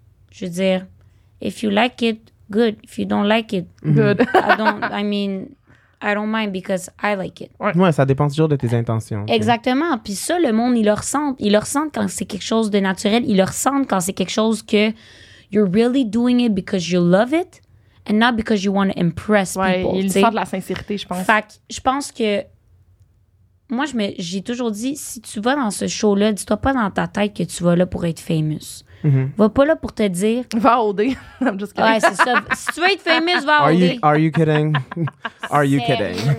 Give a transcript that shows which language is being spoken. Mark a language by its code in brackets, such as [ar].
[fr] Je veux dire, [en] if you like it, good. If you don't like it, good. I don't mind because I like it. [fr] Ouais, ça dépend toujours de tes intentions. Exactement. Puis ça, le monde, il le ressent. Il le ressent quand c'est quelque chose de naturel. Il le ressent quand c'est quelque chose que... [en] You're really doing it because you love it and not because you want to impress people. [fr] Ouais, il sort de la sincérité, je pense. Fait que je pense que... Moi, j'ai toujours dit, si tu vas dans ce show-là, dis-toi pas dans ta tête que tu vas là pour être famous. Va pas là pour te dire... Va au D. [en] I'm just kidding. [fr] Ouais, c'est ça. Si tu veux être famous, va au D. [en] Are you kidding? Are you kidding?